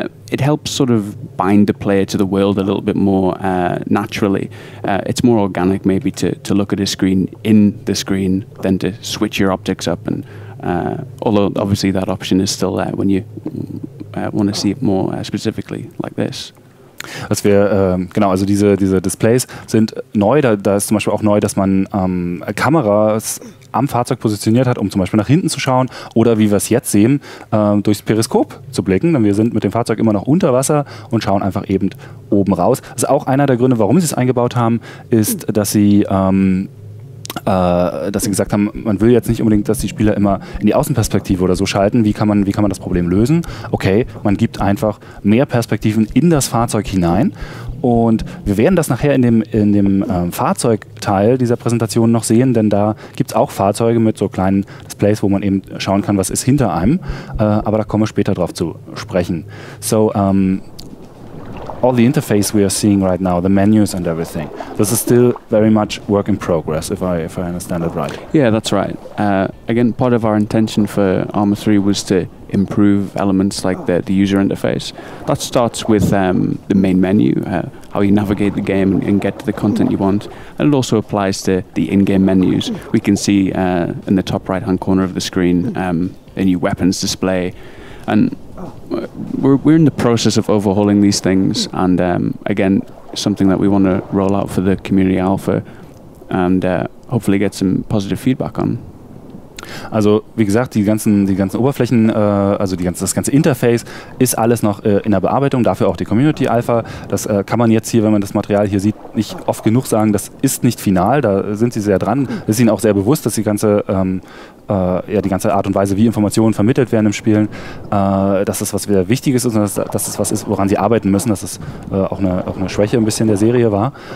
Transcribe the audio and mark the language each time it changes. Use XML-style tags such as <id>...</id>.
<en>It helps sort of bind the player to the world a little bit more naturally. It's more organic maybe to look at a screen in the screen than to switch your optics up. And although obviously that option is still there when you want to see it more specifically like this.</en> <de>Was wir, genau, also diese Displays sind neu, da ist zum Beispiel auch neu, dass man Kameras am Fahrzeug positioniert hat, um zum Beispiel nach hinten zu schauen oder wie wir es jetzt sehen, durchs Periskop zu blicken, denn wir sind mit dem Fahrzeug immer noch unter Wasser und schauen einfach eben oben raus. Das ist auch einer der Gründe, warum sie es eingebaut haben, ist, dass sie gesagt haben, man will jetzt nicht unbedingt, dass die Spieler immer in die Außenperspektive oder so schalten. Wie kann man das Problem lösen? Okay, man gibt einfach mehr Perspektiven in das Fahrzeug hinein. Und wir werden das nachher in dem Fahrzeugteil dieser Präsentation noch sehen, denn da gibt es auch Fahrzeuge mit so kleinen Displays, wo man eben schauen kann, was ist hinter einem. Aber da kommen wir später drauf zu sprechen.</de> <en>So, all the interface we are seeing right now, the menus and everything, this is still very much work in progress, if I understand it right. Yeah, that's right. Again, part of our intention for Arma 3 was to improve elements like the user interface. That starts with the main menu, how you navigate the game and get to the content you want. And it also applies to the in-game menus. We can see in the top right-hand corner of the screen a new weapons display. And we're in the process of overhauling these things, and again, something that we want to roll out for the community alpha and hopefully get some positive feedback on.</en> <de>Also wie gesagt, die ganzen Oberflächen, also das ganze Interface ist alles noch in der Bearbeitung, dafür auch die Community Alpha. Das kann man jetzt hier, wenn man das Material hier sieht, nicht oft genug sagen, das ist nicht final, da sind sie sehr dran. Es ist ihnen auch sehr bewusst, dass die ganze Art und Weise, wie Informationen vermittelt werden im Spielen, dass das was sehr Wichtiges ist und dass das was ist, woran sie arbeiten müssen, dass das auch eine Schwäche ein bisschen der Serie war.</de>